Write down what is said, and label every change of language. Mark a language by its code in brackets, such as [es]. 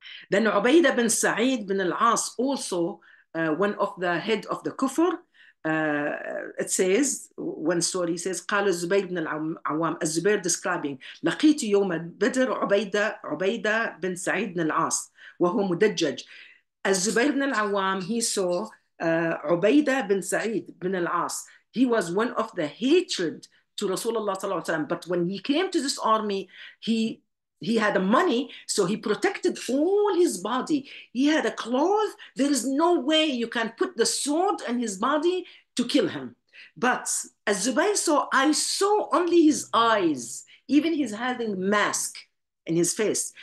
[en] Then Ubaidah bin Sa'id bin al-As, also one of the head of the kufr, it says, one story says, [ar] قال الزبير بن العوام, [en] الزبير describing, [ar] لقيت يوم بدر عبيدة بن سعيد بن العاص, وهو مدجج. [en] الزبير بن العوام, he saw عبيدة بن سعيد بن العاص. He was one of the hatred to Rasulullah صلى الله عليه وسلم. But when he came to this army, he had the money, so he protected all his body. He had a cloth. There is no way you can put the sword in his body to kill him. But as Zubayr saw, I saw only his eyes, even his having mask in his face.